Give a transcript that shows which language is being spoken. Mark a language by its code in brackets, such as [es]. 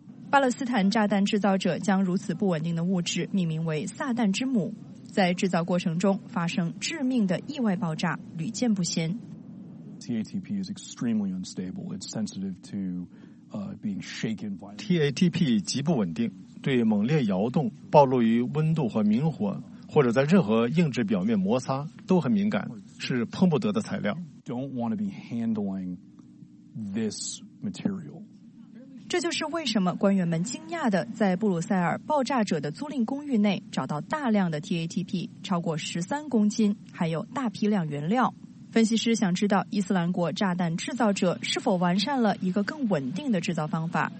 [zh] 巴勒斯坦炸弹制造者将如此不稳定的物质命名为撒旦之母，在制造过程中发生致命的意外爆炸屡见不鲜。 [en] TATP is extremely unstable. It's sensitive to being shaken by [zh] TATP 极不稳定，对猛烈摇动、暴露于温度和明火，或者在任何硬质表面摩擦都很敏感，是碰不得的材料。 [en] Don't want to be handling this material. [zh] 这就是为什么官员们惊讶地在布鲁塞尔爆炸者的租赁公寓内找到大量的 TATP， 超过13公斤，还有大批量原料。分析师想知道伊斯兰国炸弹制造者是否完善了一个更稳定的制造方法。